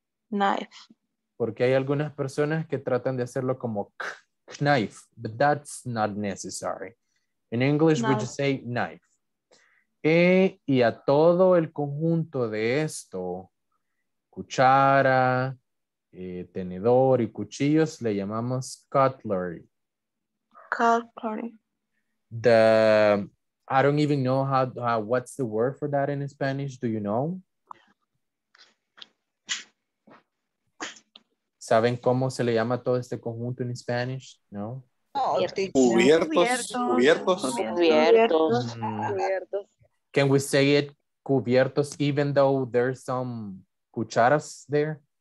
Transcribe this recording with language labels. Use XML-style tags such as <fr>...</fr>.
<es>Knife. Porque hay algunas personas que tratan de hacerlo como knife,</es> <en>but that's not necessary. In English, knife. We just say knife.</en> <es>Y a todo el conjunto de esto, cuchara, tenedor y cuchillos, le llamamos cutlery.</es> <en>Cutlery. I don't even know how what's the word for that in Spanish. Do you know?</en> <es>¿Saben cómo se le llama todo este conjunto en Spanish? No. Cubiertos.</es> <en>Can we say it cubiertos even though there's some cucharas there?</en>